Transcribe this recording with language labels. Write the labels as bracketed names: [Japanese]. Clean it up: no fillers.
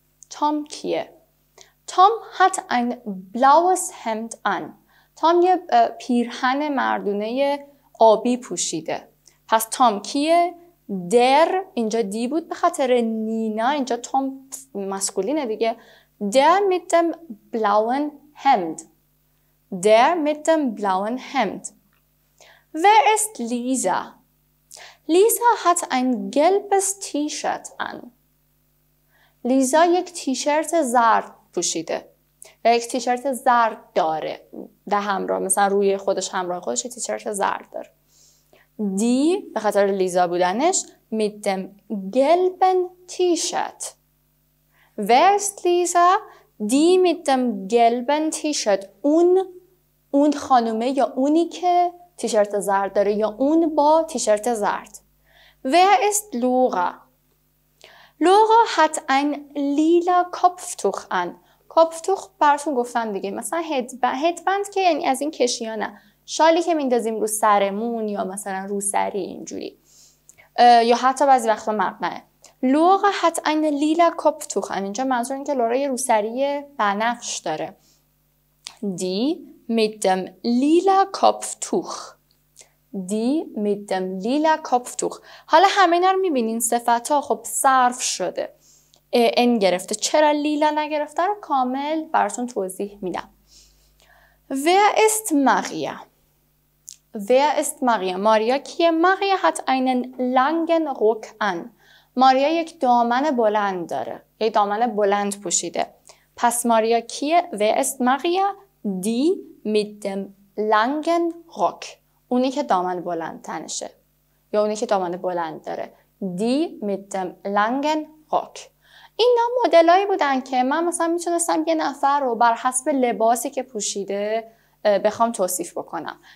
[German] Tom کیه؟ Tom hat ein blaues Hemd an. [Persian] تام یه پیرهن مردونه آبی پوشیده. پس تام کیه؟ در اینجا دی بود به خاطر نینا، اینجا تام مسکولینه دیگه. [German] در mit dem blauen Hemd. Der mit dem blauen Hemd. Wer ist Lisa? Lisa hat ein gelbes T-Shirt an. [Persian] Lisa یک تیشرت زرد پوشیده. یک تیشرت زرد داره. ده همراه مثلا روی خودش همراه خودش یک تیشرت زرد داره. دی به خاطر لیزا بودنش [German] mit dem gelben T-Shirt. Wer ist Lisa? Die mit dem gelben T-Shirt. [Persian] اون خانومه یا اونی که تیشرت زرد داره یا اون با تیشرت زرد. [German] Wer ist Laura? Laura hat ein lila Kopftuch an. [Persian] Kopftuch براتون گفتم دیگه. مثلا headband که یعنی از این کشیانه. شالی که میندازیم رو سرمون یا مثلا رو سری اینجوری. یا حتی بعضی وقتا مقنعه. لورا هات این لیلا کپتوخ ان. اینجا منظور این که لورا یه روسری بنفش داره. دی [German] mit dem [Persian] لیلا کپتوخ. دی [German] mit dem [Persian] لیلا کپتوخ. حالا همه اینا رو میبینین صفت ها خب صرف شده. ان گرفته. چرا لیلا نگرفته رو کامل براتون توضیح میدم. [German] Wer ist Maria? Wer ist Maria? Maria کیه؟ Maria hat einen langen Rock an. [Persian] ماریا یک دامن بلند داره. یک دامن بلند پوشیده. پس ماریا کیه؟ [German] Wer ist Maria? Die mit dem langen Rock. [Persian] اونی که دامن بلند تنشه. یا اونی که دامن بلند داره. [German] Die mit dem langen Rock. [Persian] اینا مدلایی بودن که من مثلا میتونستم یه نفر رو بر حسب لباسی که پوشیده بخوام توصیف بکنم.